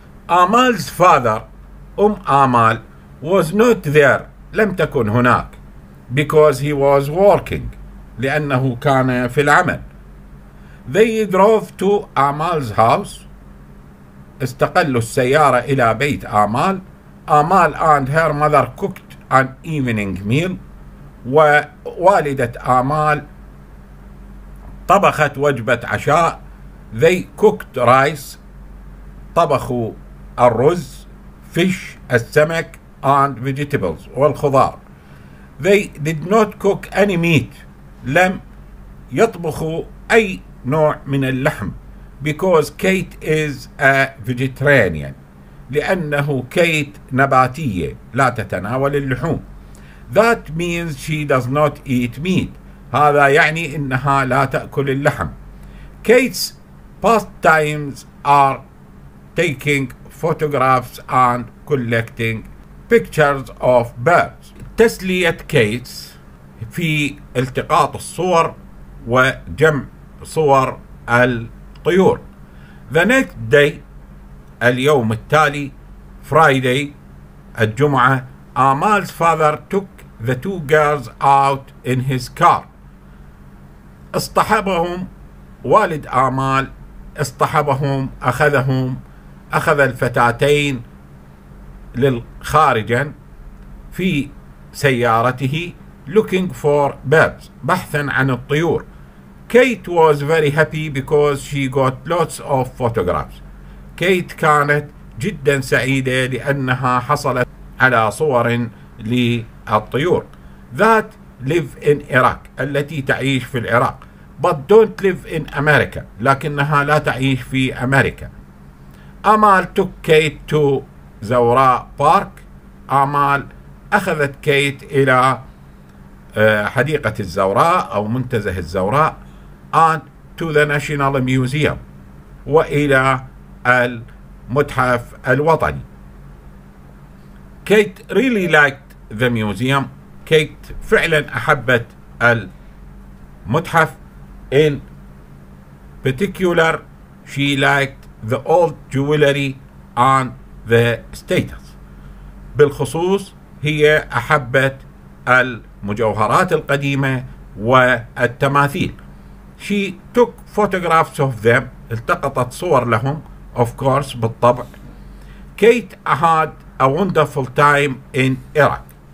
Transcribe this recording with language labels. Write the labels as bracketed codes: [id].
[en] آمال's father, [ar] أم آمال, [en] was not there, [ar] لم تكن هناك. [en] Because he was working, [ar] لأنه كان في العمل. [en] They drove to آمال's house, [ar] استقلوا السيارة إلى بيت آمال. [en] آمال and her mother cooked an evening meal. [ar] ووالدة آمال طبخت وجبة عشاء. [en] They cooked rice. [ar] طبخوا الرز, [en] fish, [ar] السمك, [en] and vegetables, [ar] والخضار. [en] They did not cook any meat. [ar] لم يطبخوا أي نوع من اللحم. [en] Because Kate is a vegetarian. [ar] لأنه كيت نباتية لا تتناول اللحوم. [en] That means she does not eat meat. [ar] هذا يعني إنها لا تأكل اللحم. [en] Kate's pastimes are taking photographs and collecting pictures of birds. [ar] تسلية كيت في التقاط الصور وجمع صور الطيور. [en] The next day, [ar] اليوم التالي, [en] Friday, [ar] الجمعة, [en] آمال's father took the two girls out in his car. [ar] اصطحبهم والد آمال, اصطحبهم, أخذهم, أخذ الفتاتين للخارج في سيارته. [en] Looking for birds, [ar] بحثا عن الطيور. [en] Kate was very happy because she got lots of photographs. [ar] كيت كانت جدا سعيدة لأنها حصلت على صور للطيور. [en] That live in Iraq, [ar] التي تعيش في العراق. [en] But don't live in America, [ar] لكنها لا تعيش في أمريكا. [en] آمال took Kate to زوراء park. [ar] آمال أخذت كيت إلى حديقة الزوراء أو منتزه الزوراء. [en] And to the National Museum, [ar] وإلى المتحف الوطني. كيت [en] really liked the museum. [ar] كيت فعلا أحبت المتحف. [en] In particular, she liked the old jewelry and the statues. [ar] بالخصوص هي أحبت المجوهرات القديمة والتماثيل. [en] She took photographs of them. [ar] التقطت صور لهم. [en] Of course, [ar] بالطبع. [en] Kate had a wonderful time in Iraq.